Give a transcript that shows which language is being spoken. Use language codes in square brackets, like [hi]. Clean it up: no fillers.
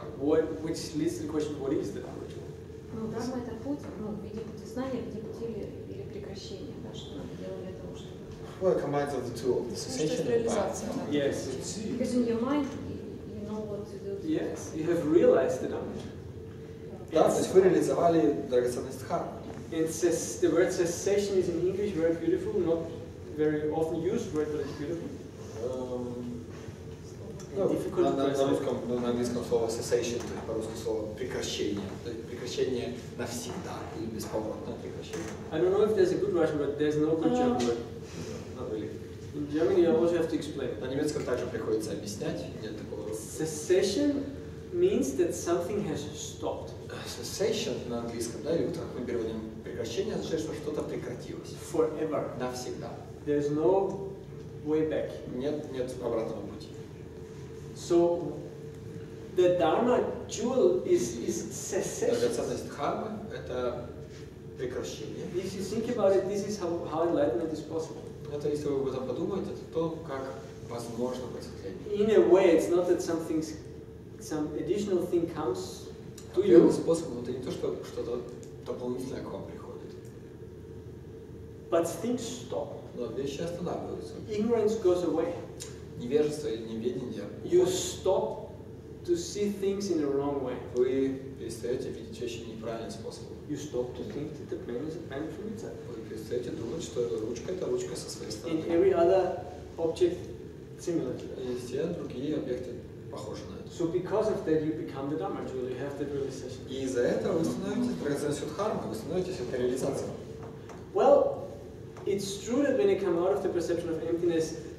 [en] Which leads to the question, what is the Dhamma jewel? [ru] Ну, Dhamma — это путь, ну, в виде пути знания, в виде пути или прекращения, да, что надо делать для того, чтобы... [en] Well, it combines all the two of the cessation and the path. Реализация. Yes. Because in your mind, you know what to do. Yes, you have realized the Dhamma jewel. [ru] Да, то есть вы реализовали драгоценность Dhamma. [en] And the word cessation is in English very beautiful, not very often used word, but it's beautiful. [ru] На английском слово cessation, то есть по-русски слово прекращение. То есть прекращение навсегда или бесповоротное прекращение. [en] I don't know if there's a good Russian, but there's no good German word. Not really. In Germany you also have to explain. [ru] На немецком также приходится объяснять, нет такого. [en] Cessation means that something has stopped. [ru] Cessation на английском, да, или утром мы переводим прекращение, означает, что что-то прекратилось. [en] Forever. [ru] Навсегда. [en] There's no way back. [ru] Нет обратного пути. [en] So the Dharma jewel is cessation. [ru] Это прекращение. [en] If you think about it, this is how enlightenment is possible. [ru] Это если вы об этом подумаете, то как возможно просветление. [en] In a way, it's not that some additional thing comes to you. [ru] Определенным способом это не то, что что-то дополнительное к вам приходит. [en] But things stop. [ru] Но вещи останавливаются. [en] Ignorance goes away. [ru] Невежество или неведение. [en] You stop to see things in the wrong way. [ru] Вы перестаете видеть вещи неправильным способом. [en] You stop to think that the pen is a pen from itself. [ru] Вы перестаете думать, что ручка — это ручка со своей стороны. [en] And every other object similar to that. [ru] И все другие объекты похожи на это. [en] So because of that you become the Dhamma jewel, you have that realization. [ru] И из-за этого вы становитесь драгоценностью Дхармы, вы становитесь этой реализацией. [en] Well, it's true that when you come out of the perception of emptiness,